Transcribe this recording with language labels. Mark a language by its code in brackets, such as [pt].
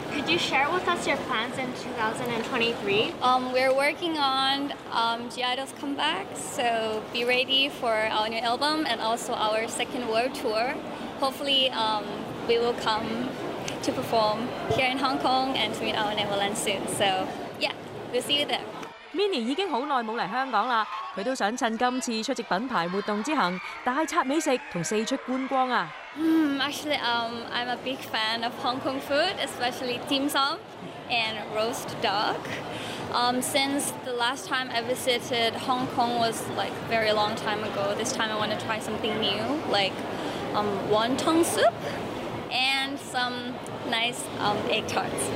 [en] Could you share with us your plans in 2023? We're working on G Idol's comeback, so be ready for our new album and also our second world tour. Hopefully, we will come to perform here in Hong Kong and to meet our Neverland soon. So, yeah, we'll see you there. [yue] Mini 已经好耐冇嚟香港啦，佢都想趁今次出席品牌活动之行，大刷美食同四出观光啊！ [en] Actually, I'm a big fan of Hong Kong food, especially dim sum and roast duck. Since the last time I visited Hong Kong was like very long time ago, this time I want to try something new, like wonton soup and some nice egg tarts.